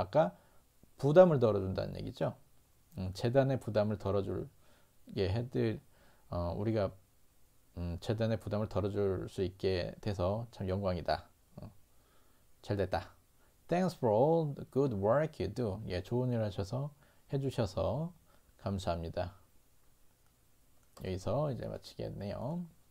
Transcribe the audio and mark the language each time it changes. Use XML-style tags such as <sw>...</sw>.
<ko>아까 부담을 덜어준다는 얘기죠. 재단의 부담을 덜어줄 예, 해드 우리가 재단의 부담을 덜어줄 수 있게 돼서 참 영광이다. 잘 됐다.</ko> <en>Thanks for all the good work you do.</en> <ko>예, 좋은 일 하셔서 해주셔서 감사합니다. 여기서 이제 마치겠네요.</ko>